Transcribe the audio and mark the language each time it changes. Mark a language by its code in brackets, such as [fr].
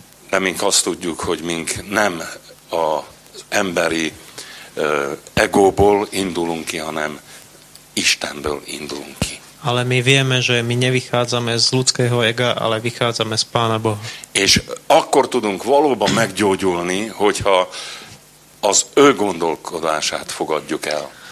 [hu] De mink azt tudjuk, hogy mink nem a emberi egóból indulunk ki, hanem Istenből indulunk ki. [sk] Ale my vieme, že my nevychádzame z ľudského ega, ale vychádzame z Pána Boha. [hu] És akkor tudunk valóban meggyógyulni, hogyha az ő gondolkodását fogadjuk el.